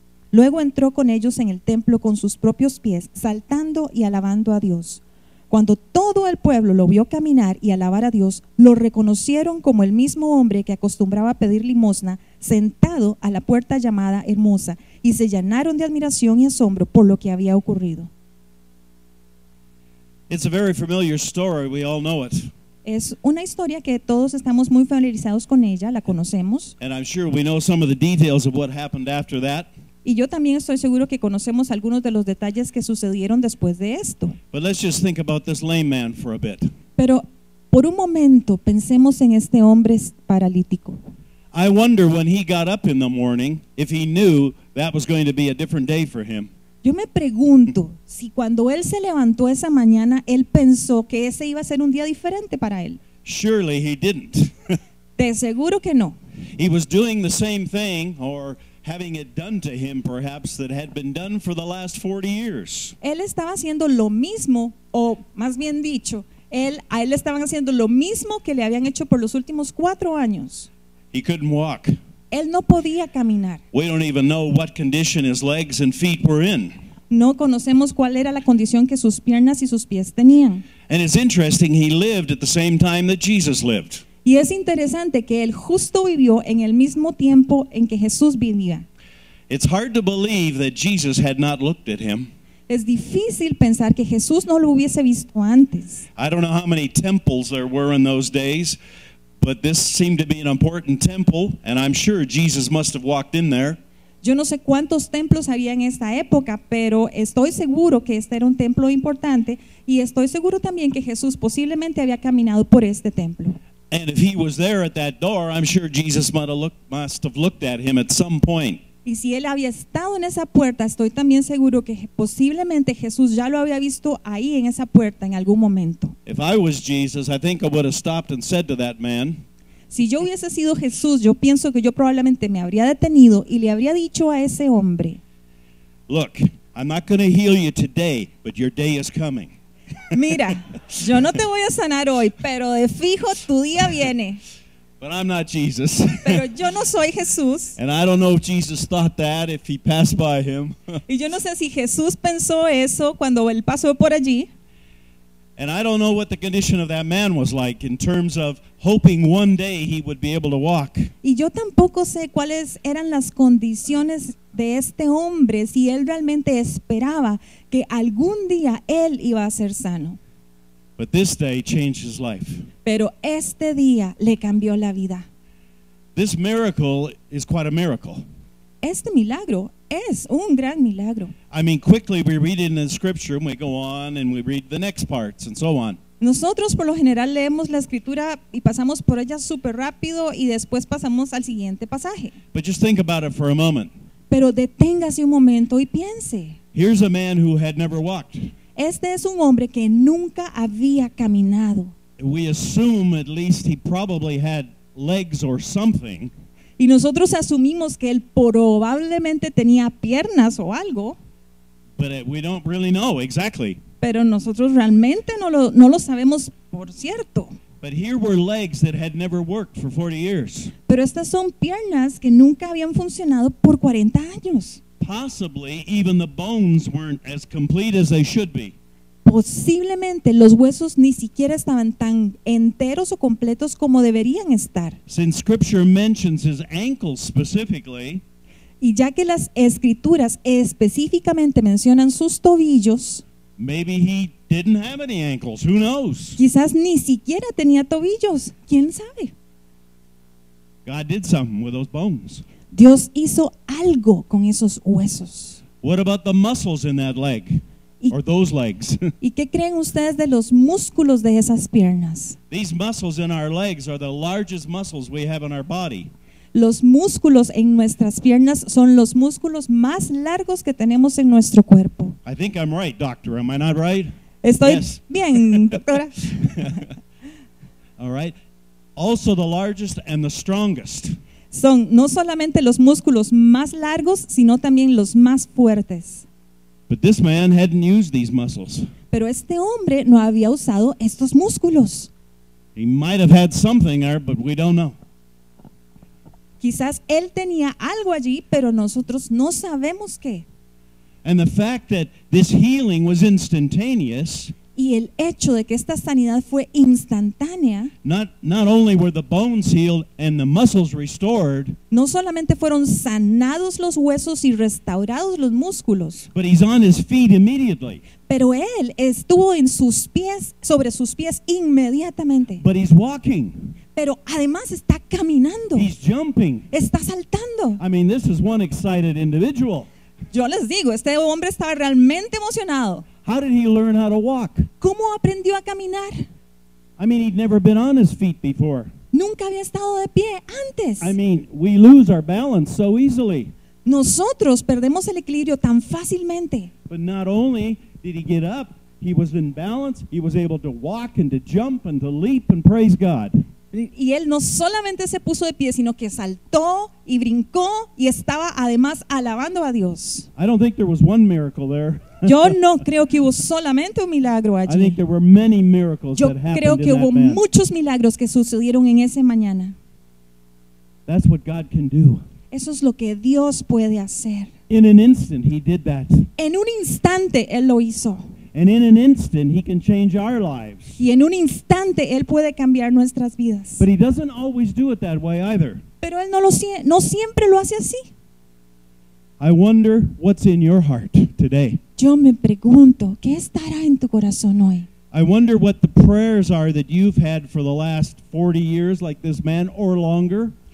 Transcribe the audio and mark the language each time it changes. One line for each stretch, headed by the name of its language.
Spanish: Luego entró con ellos en el templo con sus propios pies, saltando y alabando a Dios. Cuando todo el pueblo lo vio caminar y alabar a Dios, lo reconocieron como el mismo hombre que acostumbraba a pedir limosna, sentado a la puerta llamada Hermosa, y se llenaron de admiración y asombro por lo que había ocurrido.
English: It's a very familiar story, we all know it.
Spanish: Es una historia que todos estamos muy familiarizados con ella, la conocemos.
English: And I'm sure we know some of the details of what happened after that.
Spanish: Y yo también estoy seguro que conocemos algunos de los detalles que sucedieron después de esto.
English: But let's just think about this lame man for a bit.
Spanish: Pero por un momento pensemos en este hombre paralítico.
English: I wonder when he got up in the morning if he knew that was going to be a different day for him.
Spanish: Yo me pregunto si cuando él se levantó esa mañana, él pensó que ese iba a ser un día diferente para él.
English: Surely he didn't.
Spanish: De seguro que no.
English: He was doing the same thing, or having it done to him perhaps, that had been done for the last 40 years.
Spanish: Él estaba haciendo lo mismo, o más bien dicho, a él le estaban haciendo lo mismo que le habían hecho por los últimos 4 años.
English: He couldn't walk.
Spanish: Él no podía caminar.
English: We don't even know what condition his legs and feet were in.
Spanish: No conocemos cuál era la condición que sus piernas y sus pies tenían.
English: And it's interesting, he lived at the same time that Jesus lived.
Spanish: Y es interesante que él justo vivió en el mismo tiempo en que Jesús vivía.
English: It's hard to believe that Jesus had not looked at him.
Spanish: Es difícil pensar que Jesús no lo hubiese visto antes.
English: I don't know how many temples there were in those days. But this seemed to be an important temple, and I'm sure Jesus must have walked in there.
Spanish: Yo no sé cuántos templos había en esta época, pero estoy seguro que este era un templo importante, y estoy seguro también que Jesús posiblemente había caminado por este templo.
English: And if he was there at that door, I'm sure Jesus must have looked at him at some point.
Spanish: Y si él había estado en esa puerta, estoy también seguro que posiblemente Jesús ya lo había visto ahí en esa puerta en algún momento.
English: If I was Jesus, I think I would have stopped and said to that man.
Spanish: Si yo hubiese sido Jesús, yo pienso que yo probablemente me habría detenido y le habría dicho a ese hombre.
English: Look, I'm not going to heal you today, but your day is coming.
Spanish: Mira, yo no te voy a sanar hoy, pero de fijo tu día viene.
English: But I'm not Jesus.
Spanish: Pero yo no soy Jesús.
English: And I don't know if Jesus thought that if he passed by him.
Spanish: Y yo no sé si Jesús pensó eso cuando él pasó por allí.
English: And I don't know what the condition of that man was like in terms of hoping one day he would be able to walk.
Spanish: Y yo tampoco sé cuáles eran las condiciones de este hombre, si él realmente esperaba que algún día él iba a ser sano.
English: But this day changed his life.
Spanish: Pero este día le cambió la vida.
English: This miracle is quite a miracle.
Spanish: Este milagro es un gran milagro.
English: I mean, quickly we read it in the scripture and we go on and we read the next parts and so on.
Spanish: Nosotros por lo general leemos la escritura y pasamos por ella súper rápido y después pasamos al siguiente pasaje.
English: But just think about it for a moment.
Spanish: Pero deténgase un momento y piense.
English: Here's a man who had never walked.
Spanish: Este es un hombre que nunca había caminado.
English: We assume at least he probably had legs or something.
Spanish: Y nosotros asumimos que él probablemente tenía piernas o algo.
English: But we don't really know exactly.
Spanish: Pero nosotros realmente no lo sabemos por cierto.
English: But here were legs that had never worked for 40 years.
Spanish: Pero estas son piernas que nunca habían funcionado por 40 años.
English: Possibly even the bones weren't as complete as they should be.
Spanish: Posiblemente los huesos ni siquiera estaban tan enteros o completos como deberían estar.
English: Since scripture mentions his ankles specifically,
Spanish: y ya que las escrituras específicamente mencionan sus tobillos,
English: maybe he didn't have any ankles, who knows?
Spanish: Quizás ni siquiera tenía tobillos, quién sabe.
English: God did something with those bones.
Spanish: Dios hizo algo con esos huesos.
English: What about the muscles in that leg? Or those legs.
Spanish: ¿Y qué creen ustedes de los músculos de esas piernas?
English: These muscles in our legs are the largest muscles we have in our body.
Spanish: Los músculos en nuestras piernas son los músculos más largos que tenemos en nuestro cuerpo.
English: I think I'm right, doctor. Am I not right?
Spanish: Estoy
English: yes.
Spanish: Bien, doctora.
English: All right. Also the largest and the strongest.
Spanish: Son no solamente los músculos más largos, sino también los más fuertes.
English: But this man hadn't used these muscles.
Spanish: Pero este hombre no había usado estos músculos.
English: He might have had something there, but we don't know.
Spanish: Quizás él tenía algo allí, pero nosotros no sabemos qué.
English: And the fact that this healing was instantaneous.
Spanish: Y el hecho de que esta sanidad fue instantánea.
English: Not only were the bones healed and the muscles restored.
Spanish: No solamente fueron sanados los huesos y restaurados los músculos.
English: But he's on his feet immediately.
Spanish: Pero él estuvo en sus pies, sobre sus pies inmediatamente.
English: But he's walking.
Spanish: Pero además está caminando.
English: He's jumping.
Spanish: Está saltando.
English: I mean, this is one excited individual.
Spanish: Yo les digo, este hombre estaba realmente emocionado.
English: How did he learn how to walk?
Spanish: ¿Cómo aprendió a caminar?
English: I mean, he'd never been on his feet before.
Spanish: Nunca había estado de pie antes.
English: I mean, we lose our balance so easily.
Spanish: Nosotros perdemos el equilibrio tan fácilmente.
English: But not only did he get up, he was in balance, he was able to walk and to jump and to leap and praise God.
Spanish: Y él no solamente se puso de pie, sino que saltó y brincó y estaba además alabando a Dios.
English: I don't think there was one miracle there.
Spanish: Yo no creo que hubo solamente un milagro allí.
English: I think there were many miracles
Spanish: Yo
English: that happened
Spanish: creo que
English: in
Spanish: hubo
English: that man.
Spanish: Muchos milagros que sucedieron en ese mañana.
English: That's what God can do.
Spanish: Eso es lo que Dios puede hacer.
English: In an instant, he did that.
Spanish: En un instante, él lo hizo.
English: And in an instant, he can change our lives.
Spanish: Y en un instante, él puede cambiar nuestras vidas.
English: But he doesn't always do it that way either.
Spanish: Pero él no siempre lo hace así.
English: I wonder what's in your heart today.
Spanish: Yo me pregunto, ¿qué estará en tu corazón hoy?
English: I wonder what the prayers are that you've had for the last 40 years, like this man, or longer.